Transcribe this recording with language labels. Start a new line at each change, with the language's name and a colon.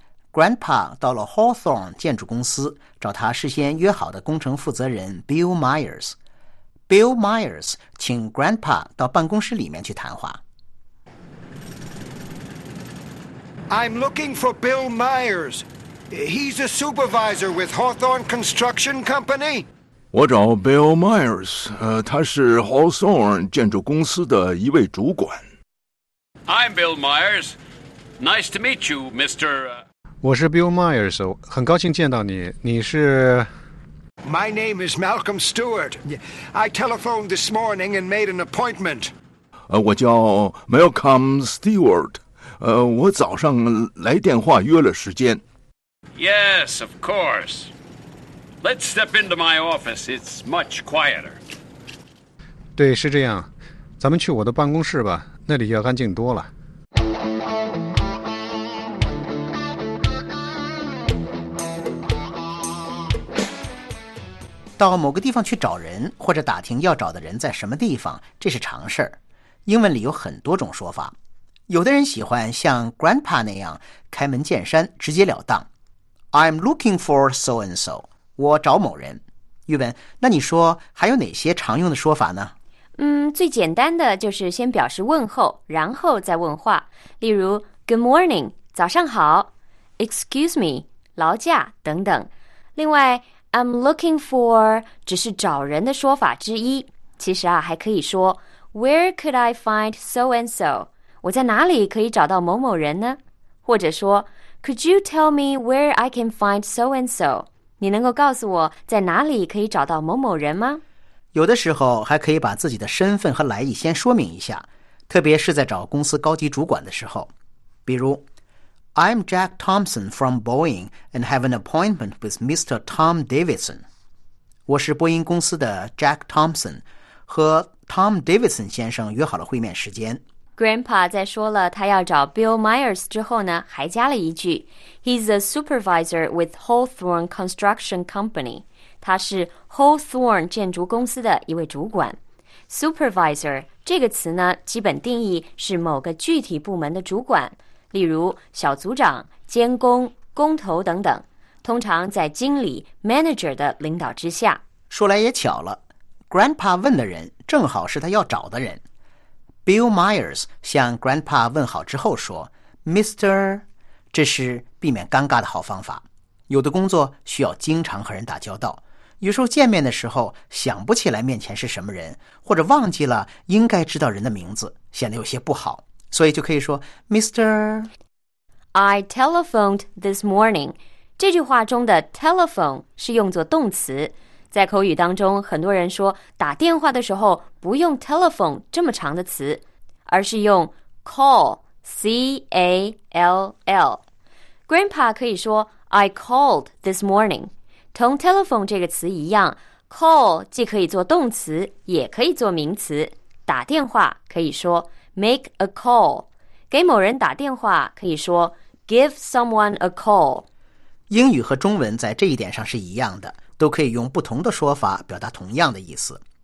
Chinese: Grandpa 到了 Hawthorne 建筑公司，找他事先约好的工程负责人 Bill Myers。 Bill Myers 请 Grandpa 到办公室里面去谈话。
English: I'm looking for Bill Myers. He's a supervisor with Hawthorne Construction Company.
Chinese: 我找 Bill Myers， 他是 Hawthorne 建筑公司的一位主管。
English: I'm Bill Myers. Nice to meet you, Mr.
Chinese: 我是 Bill Myers， 很高兴见到你。你是
English: ？My name is Malcolm Stewart. I telephoned this morning and made an appointment.
Chinese: 我叫 Malcolm Stewart. 我早上来电话约了时间。
English: Yes, of course. Let's step into my office. It's much quieter.
Chinese: 对，是这样。咱们去我的办公室吧，那里要安静多了。到某个地方去找人，或者打听要找的人在什么地方，这是常事儿。英文里有很多种说法，有的人喜欢像 grandpa 那样开门见山，直截了当。
English: I'm looking for so and so，
Chinese: 我找某人。玉文，那你说还有哪些常用的说法呢？最简单的就是先表示问候，然后再问话。例如
English: good morning，
Chinese: 早上好 ，
English: excuse me，
Chinese: 劳驾等等。另外
English: I'm looking for
Chinese: 只是找人的说法之一，其实啊，还可以说
English: Where could I find so and so?
Chinese: 我在哪里可以找到某某人呢？
English: 或者说 Could you tell me where I can find so and so?
Chinese: 你能够告诉我在哪里可以找到某某人吗？有的时候还可以把自己的身份和来意先说明一下，特别是在找公司高级主管的时候。比如
English: I'm Jack Thompson from Boeing and have an appointment with Mr. Tom Davidson.
Chinese: 我是波音公司的 Jack Thompson， 和 Tom Davidson 先生约好了会面时间。 Grandpa 在说了他要找 Bill Myers 之后呢，还加了一句
English: He's a supervisor with Hawthorne Construction Company.
Chinese: 他是 Hawthorne 建筑公司的一位主管。 Supervisor 这个词呢，基本定义是某个具体部门的主管，例如小组长、监工、工头等等，通常在经理 manager 的领导之下。说来也巧了， grandpa 问的人正好是他要找的人。 Bill Myers 向 grandpa 问好之后说 Mr. 这是避免尴尬的好方法。有的工作需要经常和人打交道，有时候见面的时候想不起来面前是什么人，或者忘记了应该知道人的名字，显得有些不好，所以就可以说 Mr.
English: I telephoned this morning.
Chinese: 这句话中的 telephone 是用作动词，在口语当中很多人说打电话的时候不用 telephone 这么长的词，而是用 call C-A-L-L.
English: Grandpa
Chinese: 可以说
English: I called this morning.
Chinese: 同 telephone 这个词一样， call 既可以做动词也可以做名词，打电话可以说
English: Make a call，
Chinese: 给某人打电话可以说
English: Give someone a call。
Chinese: 英语和中文在这一点上是一样的，都可以用不同的说法表达同样的意思。